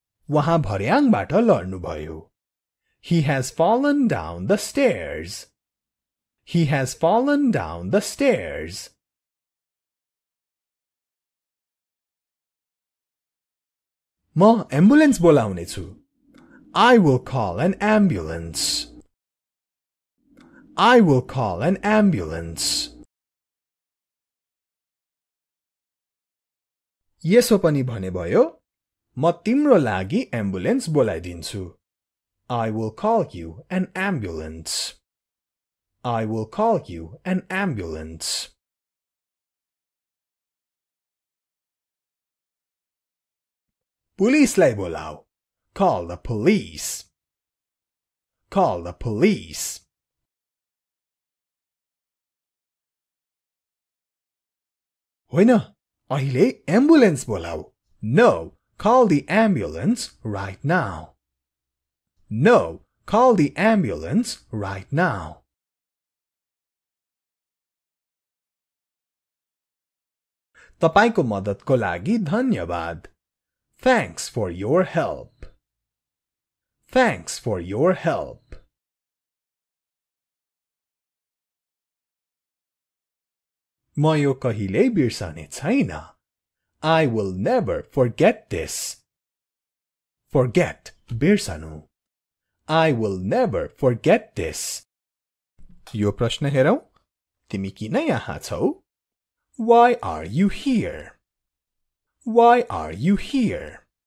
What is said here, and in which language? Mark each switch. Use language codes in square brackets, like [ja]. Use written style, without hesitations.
[ne] वहाँ भर्याङबाट लड्नु भयो. [en] He has fallen down the stairs. He has fallen down the stairs. [ne] म एम्बुलेन्स बोलाउने छु. [en] I will call an ambulance. I will call an ambulance. [ne] यसो पनि भने भयो. म तिम्रो लागि ambulance बोलाइदिन्छु. [en] I will call you an ambulance. I will call you an ambulance. [ne] पुलिसलाई बोलाऊ. [en] Call the police. Call the police. [ne] होइन, अहिले एम्बुलेन्स बोलाऊ. [en] No. Call the ambulance right now. No, call the ambulance right now. [ne] तपाईको मद्दतको लागि धन्यवाद. [en] Thanks for your help. Thanks for your help. [ne] म यो कहिल्यै बिर्सने छैन. [en] I will never forget this. [ne] Forget, birsanu. [en] I will never forget this. [ne] Yo prashna herau, timi kina yaha chau? [en] Why are you here? Why are you here?